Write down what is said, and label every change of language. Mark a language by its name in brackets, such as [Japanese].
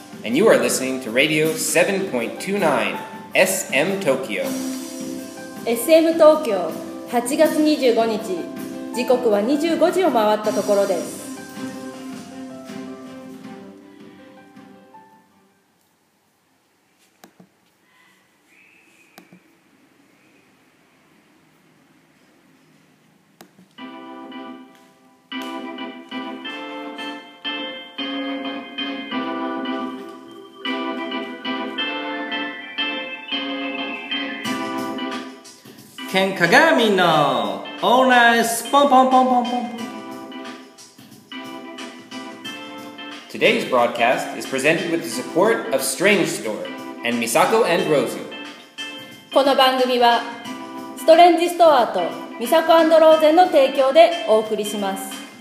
[English] and you are listening to Radio 7.29 SM Tokyo. [Japanese] SM Tokyo, 8月25日、時刻は25時を回ったところです。ケンカガミのオーライスポンポンポンポンポン。 [English] Today's broadcast is presented with the support of Strange Store and Misako and Rosie. [Japanese] この番組はストレンジストアとミサコ&ローゼの提供でお送りします。